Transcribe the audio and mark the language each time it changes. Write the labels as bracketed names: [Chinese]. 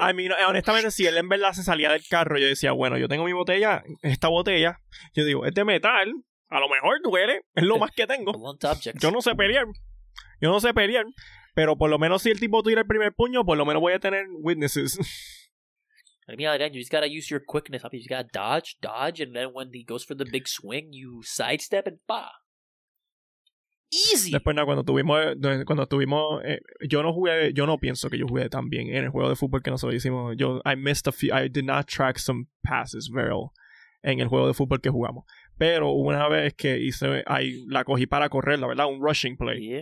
[Spanish] A mí, no, honestamente, si él en verdad se salía del carro, yo decía, bueno, yo tengo mi botella, esta botella. Yo digo, es de metal, a lo mejor duele, es lo más que tengo. Yo no sé pelear, pero por lo menos si el tipo tira el primer puño, por lo menos voy a tener witnesses. [English] I mean, Adrián, you just gotta use your quickness. You just gotta dodge, dodge, and then when he goes for the big swing, you sidestep and pa. Easy. [Spanish] Después, no, cuando tuvimos, yo no pienso que yo jugué tan bien en el juego de fútbol que nosotros hicimos. [English] Yo, I missed a few, I did not track some passes very well [Spanish] en el juego de fútbol que jugamos. Pero una vez que hice, la cogí para correr, la verdad, un rushing play.